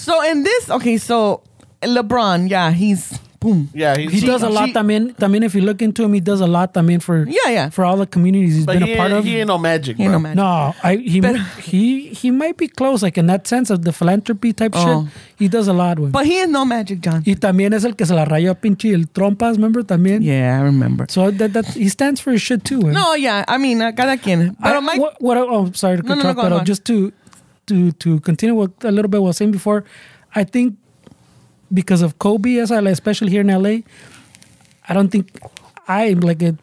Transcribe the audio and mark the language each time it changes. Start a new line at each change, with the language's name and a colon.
English: So in this, okay, so LeBron, yeah, he's boom. Yeah, he does a lot, I mean, if you look into him, he does a lot, I mean, for for all the communities he's been a part of. He ain't no magic, bro. He might be close, like in that sense of the philanthropy type shit. He does a lot with. But he is no magic, John.
Spanish: Y también es el que se la rayó a pinche el trompas,
English: remember,
Spanish: también?
English: Yeah, I remember. So that he stands for his shit too, No, yeah, I mean,
Spanish: cada quien. Pero
English: just to continue with a little bit what I was saying before, I think because of Kobe, especially here in LA, I don't think I like it.